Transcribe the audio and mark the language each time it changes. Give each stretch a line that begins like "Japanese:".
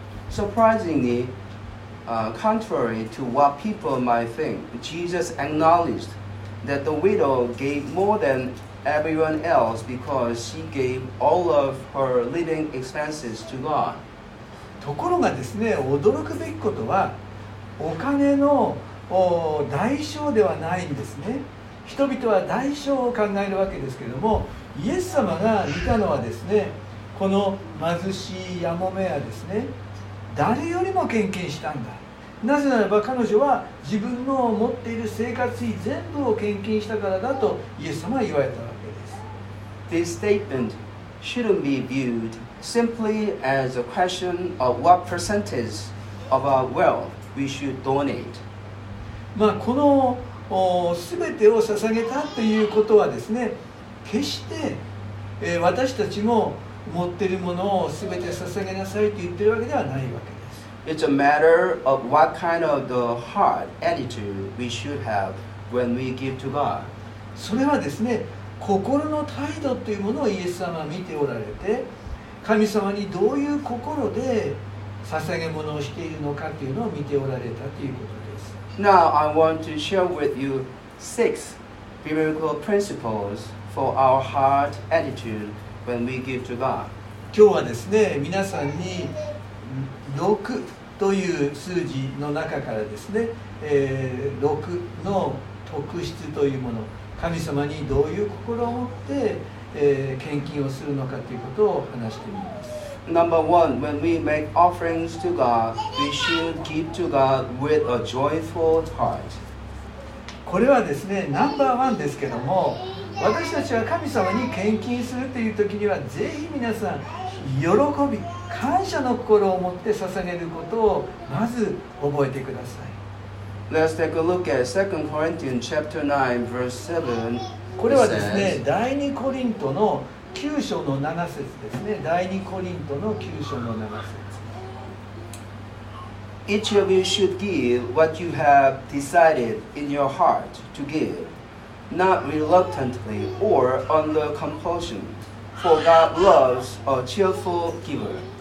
English: Surprisingly, contrary to what people might think, Jesus acknowledged that the widow gave more than everyone else because she gave all of her living expenses to God.
Japanese: ところがですね、驚くべきことはお金の代償ではないんですね。人々は代償を考えるわけですけれども、イエス様が見たのはですね、この貧しいヤモメはですね、誰よりも献金したんだ。なぜならば彼女は自分の持っている生活費全部を献金したからだとイエス様は言われたわけです。
English: This statement shouldn't be viewed simply as a question of what percentage of our wealth we should donate.
Japanese: まあ、この全てを捧げたということはですね、決して、私たちも持っているものを全て捧げなさいと言っているわけではないわけです。
English: It's a matter of what kind of the heart attitude we should have when we give to God.
Japanese: それはですね、心の態度というものをイエス様は見ておられて、神様にどういう心で捧げ物をしているのかというのを見ておられたということです。
English: Now I want to share with you 6 biblical principles for our heart attitudeWhen we give to God.
Japanese: 今日はですね、皆さんに6という数字の中からですね、6の特質というもの、神様にどういう心を持って、献金をするのかということを話してみます。
English: Number one, when we make offerings to God, we should give to God with a joyful heart.
Japanese: これはですね、ナンバーワンですけども、私たちは神様に献金するという時には、ぜひ皆さん喜び、感謝の心を持って捧げることをまず覚えてください。
English: Let's take a look at 2 Corinthians chapter 9 verse 7.
Japanese: これはですね、第二コリントの9章の7節ですね。第二コリントの9章の7節。
English: Each of you should give what you have decided in your heart to giveNot reluctantly or under compulsion, for God loves a cheerful giver.